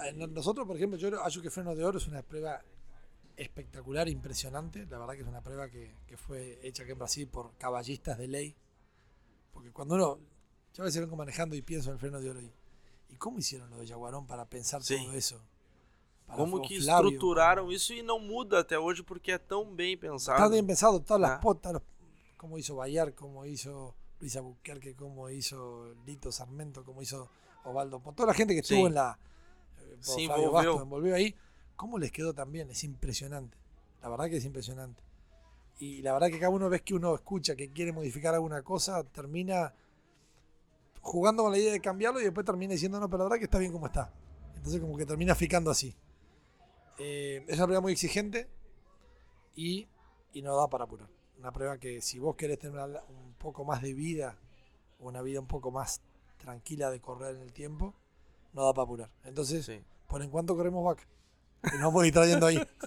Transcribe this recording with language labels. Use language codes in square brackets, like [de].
[es] Nosotros, por ejemplo, yo [pt] acho que [es] Freno de Oro es una prueba espectacular, impresionante. La verdad que es una prueba que fue hecha aquí en Brasil por caballistas de ley. Porque cuando uno, yo a veces vengo manejando y pienso en el Freno de Oro. ¿Y cómo hicieron lo de Jaguarón para pensar sí. todo eso? [pt] Como que estruturaram Flávio. Isso e não muda até hoje porque é tão bem pensado. Está bem pensado, todas as potas, como hizo Bayar, como hizo Luis Abuquerque, como hizo Lito Sarmento, como hizo Ovaldo, toda a gente que estuvo Flávio Bastos, envolveu aí, como les quedou também, é impressionante. A verdade que é impressionante. E a verdade que cada uma vez que [es] uno escucha que quiere modificar [pt] alguma coisa, termina jugando com a ideia de cambiarlo e depois termina dizendo, não, pero a verdade que está bem como está. Então, como que termina ficando assim. [es] Es una prueba muy exigente y no da para apurar. Una prueba que si vos querés tener un poco más de vida, una vida un poco más tranquila de correr en el tiempo, no da para apurar. Entonces, sí. ¿Por en cuánto corremos vaca? Y nos vamos a ir trayendo ahí.